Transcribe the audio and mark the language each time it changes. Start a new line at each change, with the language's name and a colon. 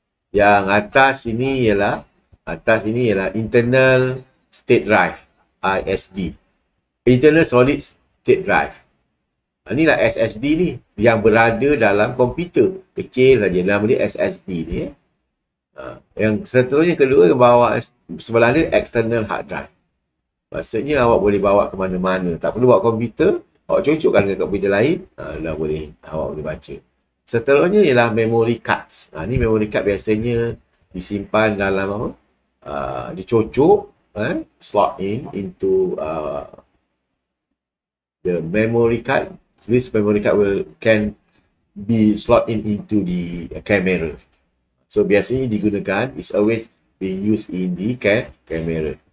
Malay: Yang atas ini ialah internal state drive, ISD. Internal solid state drive. Inilah SSD ni yang berada dalam komputer. Kecil saja, nama dia SSD ni. Yeah. Yang seterusnya kedua, bawah sebelah ni external hard drive. Maksudnya awak boleh bawa ke mana-mana. Tak perlu bawa komputer. Awak cucukkan dengan komputer lain, dah boleh, awak boleh baca. Seterusnya ialah memory cards. Ni memory card biasanya disimpan dalam apa?
English: Dicucuk, slot in into the memory card. This memory card can be slot in into the camera. So biasanya digunakan, is always being used in the camera.